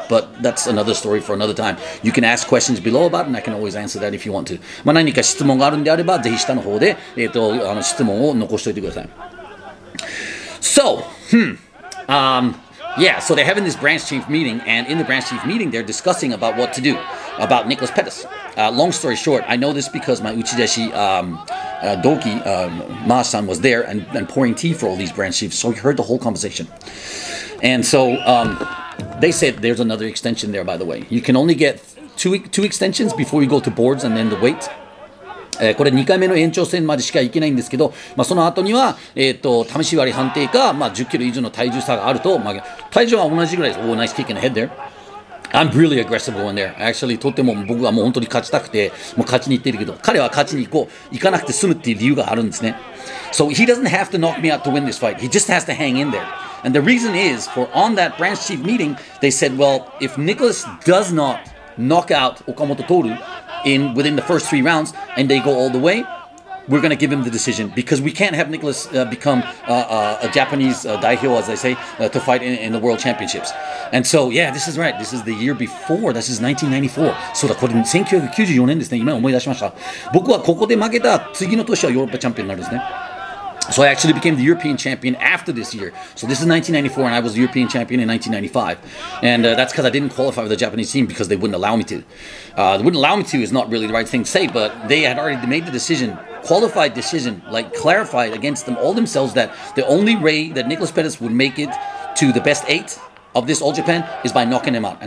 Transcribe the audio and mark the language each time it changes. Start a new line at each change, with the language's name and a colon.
English: But that's another story for another time. You can ask questions below about it, and I can always answer that if you want to.
Japanese: まあ何か質問があるんであれば、ぜひ下の方で、質問を残しておいてください。
English: So, yeah, so they're having this branch chief meeting, and in the branch chief meeting, they're discussing about what to do about Nicholas Pettis. Long story short, I know this because my uchideshi, Doki, Maa-san was there and pouring tea for all these branch chiefs, so he heard the whole conversation. And so, they said there's another extension there, by the way. You can only get two extensions before you go to boards and then the weight.
Japanese: これ2回目の延長戦までしか行けないんですけど、まあ、その後には、試し割り判定か、まあ、10キロ以上の体重差があると、まあ、体重は同じぐらいです。
English: Oh, nice kick in the head there. I'm really aggressive going there. Actually,
Japanese: とっても僕はもう本当に勝ちたくて、もう勝ちに行ってるけど、彼は勝ちに行こう。行かなくて済むっていう理由があるんですね。
English: So he doesn't have to knock me out to win this fight. He just has to hang in there. And the reason is, for on that branch chief meeting, they said, well, if Nicholas does not knock out Okamoto Toru,within the first three rounds and they go all the way, we're going to give him the decision because we can't have Nicholas become a Japanese Daihyo, as they say, to fight in the World Championships. And so, yeah, this is right. This is the year before. This is 1994. So,
Japanese: これ1994年ですね。今思い出しました。僕はここで負けた次の年はヨーロッパチャンピオンになるんですね。
English: So I actually became the European champion after this year. So this is 1994 and I was the European champion in 1995. And that's because I didn't qualify with the Japanese team because they wouldn't allow me to. They wouldn't allow me to is not really the right thing to say, but they had already made the decision, qualified decision, like clarified against them all themselves that the only way that Nicholas Pettis would make it to the best eight of this All Japan is by knocking him out.